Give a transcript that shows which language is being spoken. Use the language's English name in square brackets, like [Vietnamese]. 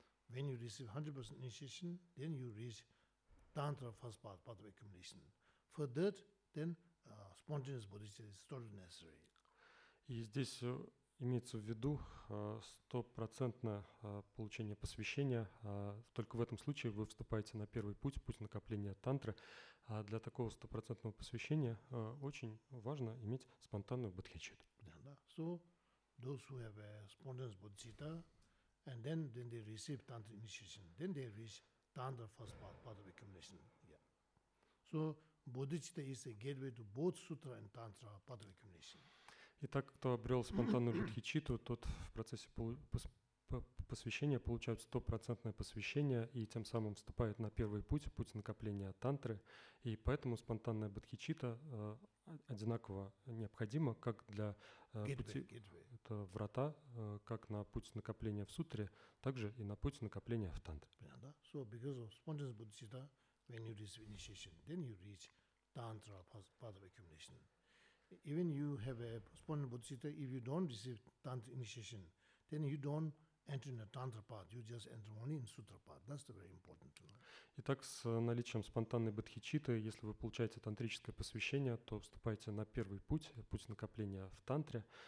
[English] When you receive 100% initiation, then you reach tantra first path of accumulation. For that, then spontaneous bodhicitta is totally necessary. [Russian] И здесь имеется в виду стопроцентное получение посвящения. Только в этом случае вы вступаете на первый путь, путь накопления тантры. А для такого стопроцентного посвящения очень важно иметь спонтанную бодхичитту. [English] Yeah, so those who have a spontaneous bodhicitta, and then they receive tantra initiation, then they reach tantra first part of accumulation. Yeah. So bodhicitta is a gateway to both sutra and tantra part of accumulation. [Russian] И так, кто обрел спонтанную бодхичитту, тот в процессе посвящения получает стопроцентное посвящение и тем самым вступает на первый путь, путь накопления тантры. И поэтому спонтанная бодхичитта одинаково необходима как для [English] gateway. [Russian] Это врата, как на путь накопления в сутре, так же и на путь накопления в тантре. [English] So because of spontaneous bodhicitta, when you reach initiation, then you reach tantra path of accumulation. Even you have a spontaneous bodhicitta, if you don't receive tantra initiation, then you don't enter in a tantra path, you just enter only in sutra path. That's the very important to know. [Russian] Итак, с наличием спонтанной бодхичитты, если вы получаете тантрическое посвящение, то вступаете на первый путь, путь накопления в тантре.